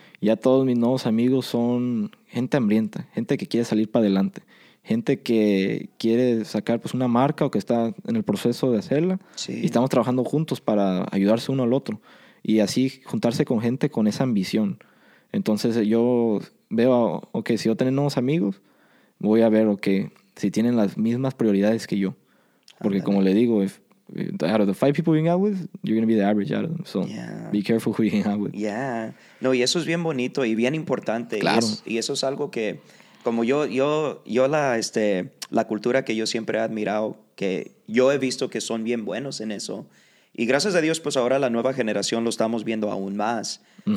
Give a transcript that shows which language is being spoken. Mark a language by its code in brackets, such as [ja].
[es] Ya todos mis nuevos amigos son gente hambrienta, gente que quiere salir para adelante, gente que quiere sacar pues una marca o que está en el proceso de hacerla. Sí. Y estamos trabajando juntos para ayudarse uno al otro y así juntarse con gente con esa ambición. Entonces yo veo, ok, si yo tengo nuevos amigos, voy a ver, ok, si tienen las mismas prioridades que yo. Porque como le digo, [en] out of the five people you hang out with, you're going to be the average out of them. So be careful who you hang out with. Yeah. [es] No, y eso es bien bonito y bien importante. Claro. Y eso es algo que, como yo la cultura que yo siempre he admirado, que yo he visto que son bien buenos en eso. Y gracias a Dios, pues ahora la nueva generación lo estamos viendo aún más, uh-huh.